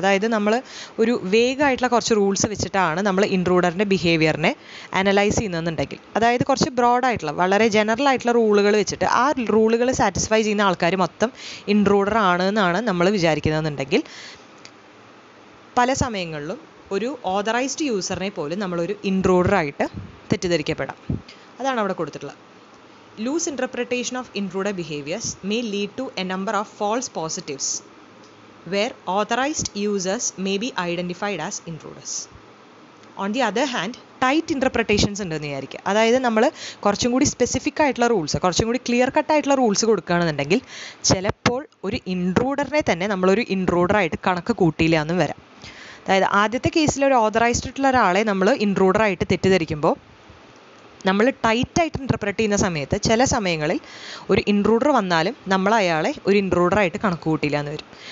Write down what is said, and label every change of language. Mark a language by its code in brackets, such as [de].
[ml] അതായത് നമ്മൾ ഒരു വേഗമായിട്ടുള്ള കുറച്ച് റൂൾസ് വെച്ചിട്ടാണ് നമ്മൾ ഇൻട്രൂഡറിൻ്റെ ബിഹേവിയറിനെ അനലൈസ് ചെയ്യുന്നതെന്നുണ്ടെങ്കിൽ, അതായത് കുറച്ച് ബ്രോഡായിട്ടുള്ള വളരെ ജനറൽ ആയിട്ടുള്ള റൂളുകൾ വെച്ചിട്ട് ആ റൂളുകൾ സാറ്റിസ്ഫൈ ചെയ്യുന്ന ആൾക്കാർ മൊത്തം ഇൻട്രൂഡർ ആണ് എന്നാണ് നമ്മൾ വിചാരിക്കുന്നതെന്നുണ്ടെങ്കിൽ, പല സമയങ്ങളിലും ഒരു ഓതറൈസ്ഡ് യൂസറിനെ പോലും നമ്മളൊരു ഇൻട്രൂഡറായിട്ട് തെറ്റിദ്ധരിക്കപ്പെടാം. അതാണ് അവിടെ കൊടുത്തിട്ടുള്ളത്. [en] Loose interpretation of intruder behaviors may lead to a number of false positives where authorized users may be identified as intruders. On the other hand, [ml] tight ഇൻറ്റർപ്രറ്റേഷൻസ് ഉണ്ടെന്ന് വിചാരിക്കുക. അതായത് നമ്മൾ കുറച്ചും കൂടി സ്പെസിഫിക് ആയിട്ടുള്ള റൂൾസ്, കുറച്ചും കൂടി ക്ലിയർ കട്ട് ആയിട്ടുള്ള റൂൾസ് കൊടുക്കുകയാണെന്നുണ്ടെങ്കിൽ ചിലപ്പോൾ ഒരു ഇൻട്രൂഡറിനെ തന്നെ നമ്മളൊരു ഇൻട്രൂഡറായിട്ട് കണക്ക് കൂട്ടിയില്ല എന്നും വരാം. അതായത് ആദ്യത്തെ കേസിൽ ഒരു ഓതറൈസ്ഡ് ആയിട്ടുള്ള ഒരാളെ നമ്മൾ ഇൻട്രൂഡറായിട്ട് തെറ്റിദ്ധരിക്കുമ്പോൾ, നമ്മൾ ടൈറ്റായിട്ട് ഇൻറ്റർപ്രറ്റ് ചെയ്യുന്ന സമയത്ത് ചില സമയങ്ങളിൽ ഒരു ഇൻട്രൂഡർ വന്നാലും നമ്മൾ അയാളെ ഒരു ഇൻട്രൂഡറായിട്ട് കണക്ക് കൂട്ടിയില്ല എന്ന് വരും.